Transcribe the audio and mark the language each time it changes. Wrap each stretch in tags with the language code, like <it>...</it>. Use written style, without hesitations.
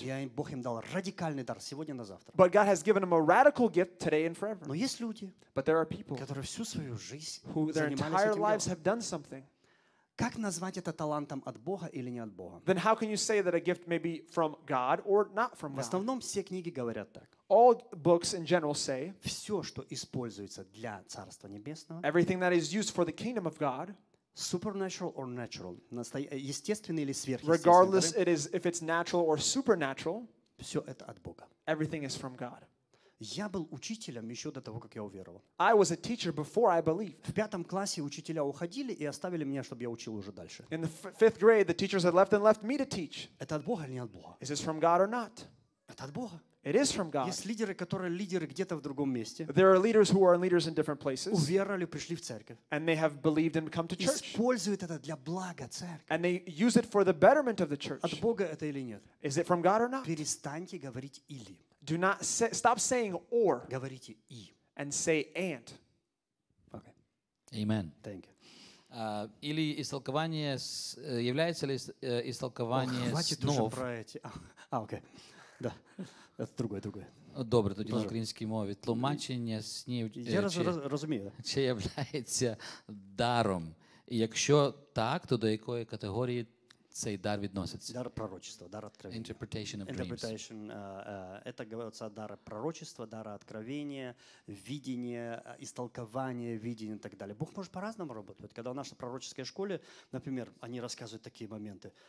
<ru>Я им Бог им дал радикальный дар сегодня на завтра.</ru> <en>But God has given them a radical gift today and forever.</en> <ru>Но есть люди,</ru> <en>but there are people,</en> <ru>которые всю свою жизнь,</ru> <en>who their entire lives have done something.</en> <ru>Как назвать это талантом от Бога или не от Бога?</ru> <en>Then how can you say that a gift may be from God or not from God?</en> <ru>В основном все книги говорят так.</ru> <en>All books in general say,</en> <ru>все, что используется для Царства Небесного,</ru> <en>everything that is used for the kingdom of God, supernatural or natural,</en> <ru>естественный или сверхъестественный,</ru> <en>regardless it is, if it's natural or supernatural,</en> <ru>все это от Бога.</ru> <en>Everything is from God.</en> <ru>Я был учителем еще до того, как я уверовал.</ru> <en>I was a teacher before I believed.</en> <ru>В пятом классе учителя уходили и оставили меня, чтобы я учил уже дальше.</ru> <en>In the fifth grade, the teachers had left and left me to teach.</en> <ru>Это от Бога или не от Бога?</ru> <en>Is this from God or not?</en> <ru>Это от Бога.</ru> <en>It is from God.</en> <ru>Есть лидеры, которые лидеры где-то в другом месте.</ru> <en>There are leaders who are leaders in different places.</en> <ru>Уверовали, пришли в церковь.</ru> <en>And they have believed and come to church.</en> <ru>Используют это для блага церкви.</ru> <en>And they use it for the betterment of the church.</en> <ru>От Бога это или нет?</ru> <en>Is it from God or not?</en> <ru>Перестаньте говорить или.</ru> <en>Do not say, stop saying or.</en> <ru>Говорите и.</ru> <en>And say and. Okay. Amen. Thank you.</en> <ru>Или истолкование с, является ли истолкование снов? Хватит уже про эти. Окей. Да. Это другое.</ru> <uk>Добре, тоді на українській мові. Тлумачення снів. Я розумію. Чи являється даром? І якщо так, то до якої категорії цей дар відноситься?</uk> <ru>Дар пророчества, дар откровения.</ru> <en>Interpretation of interpretation, dreams.</en> <ru>Это говорится дар пророчества, дар откровения, видение, истолкование, видение и так далее. Бог может по-разному работать. Когда в нашей пророческой школе, например, они рассказывают такие моменты.</ru>